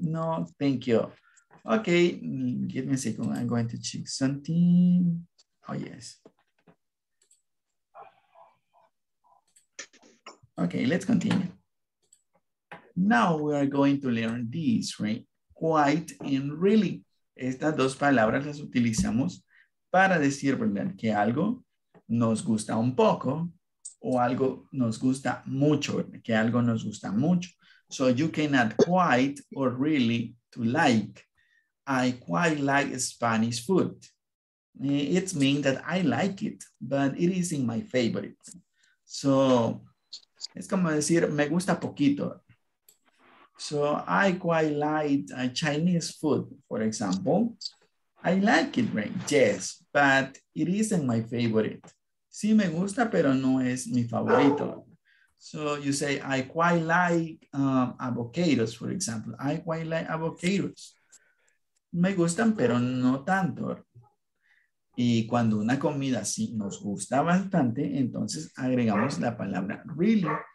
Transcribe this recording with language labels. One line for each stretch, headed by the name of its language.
English: No, thank you. Okay. Give me a second. I'm going to check something. Oh, yes. Okay, let's continue. Now we are going to learn this, right? Quite and really.
Spanish: Estas dos palabras las utilizamos para decir, ¿verdad? Que algo nos gusta un poco o algo nos gusta mucho, ¿verdad? Que algo nos gusta mucho.
English: So you can add quite or really to like. I quite like Spanish food. It means that I like it, but it isn't my favorite.
Spanish: So... es como decir, me gusta poquito.
English: So, I quite like Chinese food, for example. I like it, right? Yes, but it isn't my favorite.
Spanish: Sí me gusta, pero no es mi favorito.
English: So, you say, I quite like avocados, for example. I quite like avocados.
Spanish: Me gustan, pero no tanto. Y cuando una comida sí nos gusta bastante, entonces agregamos la palabra really.